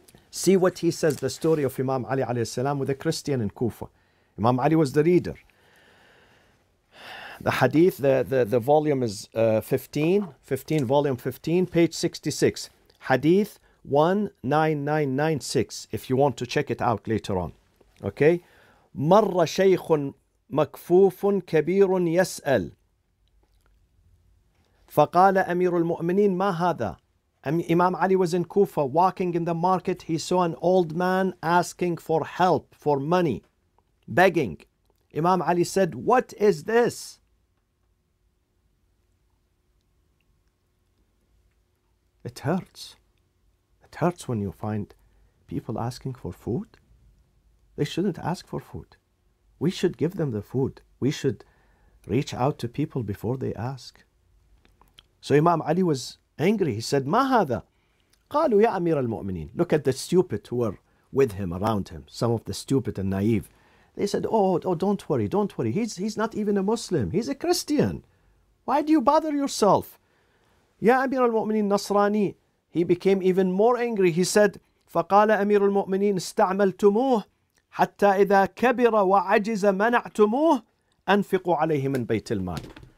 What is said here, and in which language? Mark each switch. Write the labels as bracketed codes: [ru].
[en] See what he says, the story of Imam Ali alayhi salam with a Christian in Kufa. Imam Ali was the reader. The hadith, the volume is 15, volume 15, page 66. Hadith 19996, if you want to check it out later on. Okay? [ar] مر شيخ مكفوف كبير يسأل فقال أمير المؤمنين ما هذا؟ [en] Imam Ali was in Kufa, walking in the market. He saw an old man asking for help, for money, begging. Imam Ali said, what is this? It hurts. It hurts when you find people asking for food. They shouldn't ask for food. We should give them the food. We should reach out to people before they ask. So Imam Ali was angry. He said, [ar] مَا هَذَا؟ قَالُوا يَا أَمِيرَ الْمُؤْمِنِينَ. [en] Look at the stupid who were with him, around him. Some of the stupid and naive. They said, don't worry. He's not even a Muslim. He's a Christian. Why do you bother yourself? [ar] يَا أَمِيرَ الْمُؤْمِنِينَ نَصْرَانِي. [en] He became even more angry. He said, [ar] فَقَالَ أَمِيرُ الْمُؤْمِنِينَ اسْتَعْمَلْتُمُوهُ حَتَّى إِذَا كَبِرَ وَعَجِزَ مَنَعْتُمُوهُ أَنْفِقُوا عَلَيْهِ مِنْ بَيْتِ الْمَالِ.